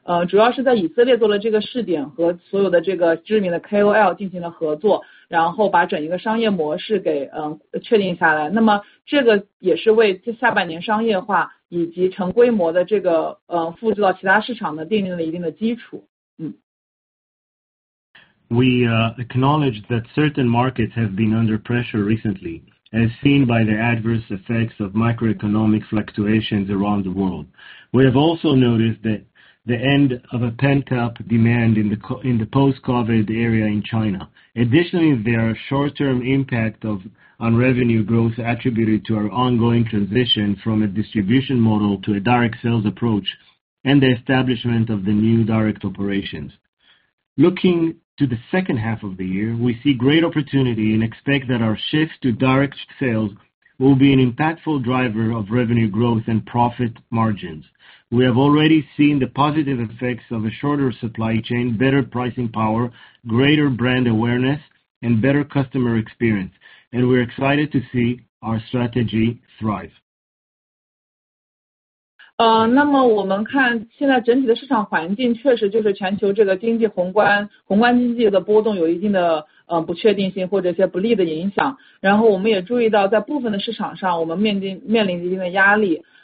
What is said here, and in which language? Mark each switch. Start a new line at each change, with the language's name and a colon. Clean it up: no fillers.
Chinese: 主要是在以色列做了这个试点，和所有的这个知名的 KOL 进行了合作，然后把整一个商业模式给确定下来。那么这个也是为下半年商业化以及成规模的这个复制到其他市场呢，奠定了一定的基础。
English: We acknowledge that certain markets have been under pressure recently, as seen by the adverse effects of macroeconomic fluctuations around the world. We have also noticed that the end of a pent-up demand in the post-COVID era in China. Additionally, there are short-term impact on revenue growth attributed to our ongoing transition from a distribution model to a direct sales approach and the establishment of the new direct operations. Looking to the second half of the year, we see great opportunity and expect that our shift to direct sales will be an impactful driver of revenue growth and profit margins. We have already seen the positive effects of a shorter supply chain, better pricing power, greater brand awareness, and better customer experience, and we're excited to see our strategy thrive.
Chinese: 那么我们看现在整体的市场环境，确实就是全球这个经济宏观经济的波动有一定的不确定性或者一些不利的影响。然后我们也注意到，在部分的市场上，我们面临一定的压力。